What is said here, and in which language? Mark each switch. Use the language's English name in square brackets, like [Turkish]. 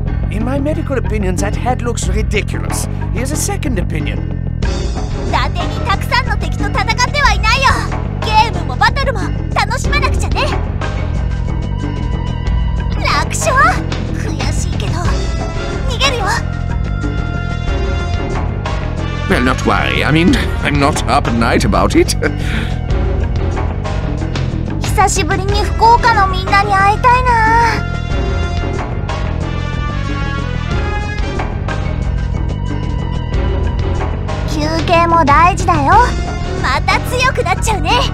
[English] In my medical opinion, that head looks ridiculous. Here's a second opinion. [Japanese] だてにたくさんの敵と戦ってはいないよ。ゲームもバトルも楽しまなくちゃね。楽勝。悔しいけど逃げるよ。 [English] Well, not worry. I mean, I'm not up at night about it. [Japanese] 久しぶりに福岡のみんなに会いたいな。休憩も大事だよ。また強くなっちゃうね。